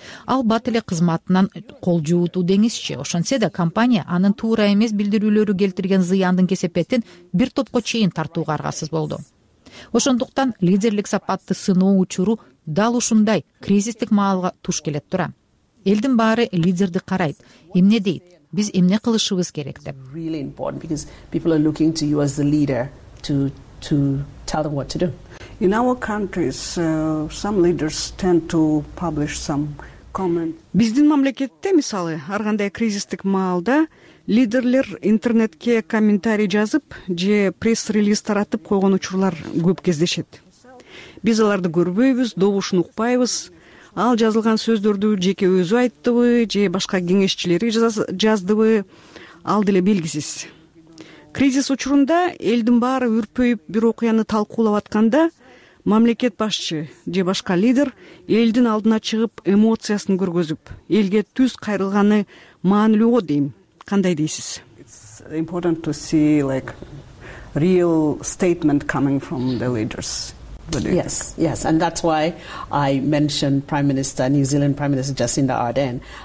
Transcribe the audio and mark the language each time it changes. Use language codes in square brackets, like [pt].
[ky] Ал бат эле кызматынан кол жуутуу деңизчи. Ошентсе да компания анын туура эмес билдирүүлөрү келтирген зыяндын кесепетин бир топко чейин тартууга аргасыз болду. Ошондуктан лидерлик сапатты сыноо учуру дал ушундай кризистик маалга туш келет тура. Элдин баары лидерди карайт. Эмне дейт? Биз эмне кылышыбыз керек деп. [en] Really important because people are looking to you as the leader to tell them what to do. In our countries, some leaders tend to publish some comments. [ky] Биздин мамлекетте, мисалы, ар кандай кризистик маалда лидерлер интернетке комментарий жазып же пресс-релиз таратып койгон учурлар көп кездешет. Биз аларды көрбөйбүз, добушун укпайбыз. Ал жазылган сөздөрдү жеке өзү айттыбы же башка кеңешчилери жаздыбы, ал деле белгисиз. Кризис учурунда элдин баары үрпөйүп бир окуяны талкуулап атканда мамлекет башчы же башка лидер элдин алдына чыгып эмоциясын көргөзүп, элге түз кайрылганы маанилүүго дейм. Кандай дейсиз? [en] It's important to see like real statement coming from the leaders. Yes, yes, and that's why I mentioned Prime Minister, New Zealand Prime Minister Jacinda Ardern.